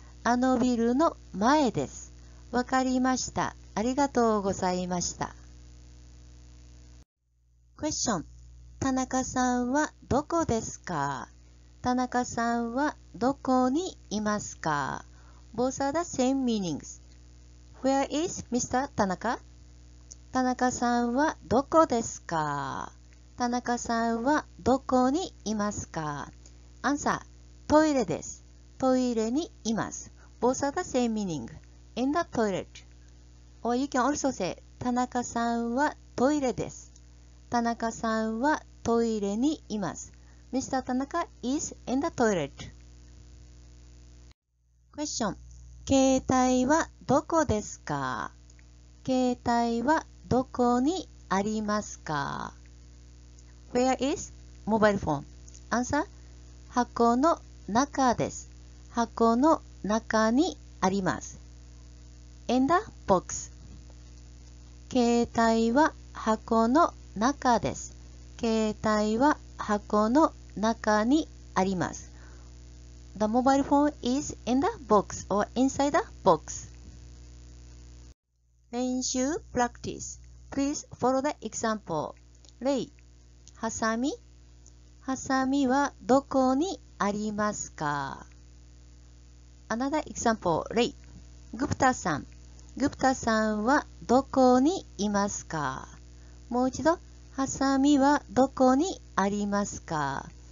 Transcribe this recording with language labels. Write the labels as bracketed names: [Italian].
[Japanese] あのビルの前です。わかりました。ありがとうございました。クエスチョン、田中さんはどこですか？田中さんはどこにいますか？ [English] Both are the same meanings. Where is Mr. 田中？ [Japanese] 田中さんはどこですか？田中さんはどこにいますか？ Answer: トイレです。トイレにいます。 [English] Both are the same meaning. In the toilet. Or you can also say: [Japanese] 田中さんはトイレです。田中さんはトイレにいます。 [English] Mr. 田中 is in the toilet. [Japanese] Question: 携帯はどこですか？携帯はどこにありますか？ [English] Where is mobile phone? Answer: [Japanese] 箱の中です。箱の中にあります。 [English] In the box. [Japanese] 携帯は箱の中です。携帯は箱の中にあります。 [English] The mobile phone is in the box or inside the box. [Japanese] 練習 practice. [English] Please follow the example. [Japanese] 例、ハサミ。ハサミはどこにありますか？ [English] Another example. [Japanese] 例、グプタさん。グプタさんはどこにいますか？もう一度、ハサミはどこにありますか？